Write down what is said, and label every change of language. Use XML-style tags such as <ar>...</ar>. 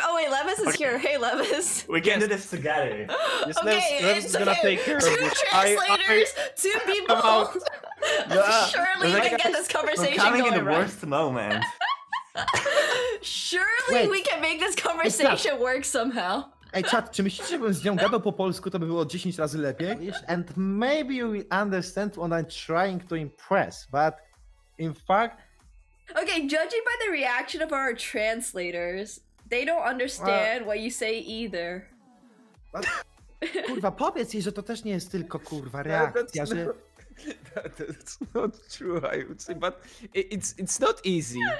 <en>Oh wait, Levis is here. Hey, Levis. We can do this together. Yes, okay, Levis is gonna take care of this. Two people! Surely we can get this conversation going, coming in the worst moment. Surely we can make this conversation work somehow.</en> <pl>Ej, czat, czy myślicie, żebym z nią gadał po polsku, to by było 10 razy lepiej?</pl> <en>And maybe you understand what I'm trying to impress, but in fact... Okay, judging by the reaction of our translators, they don't understand what you say either.</en> <pl>But, kurwa, powiedz jej, że to też nie jest tylko, kurwa, reakcja, no, że...</pl> <en>That's not true, I would say, but it's not easy.</en>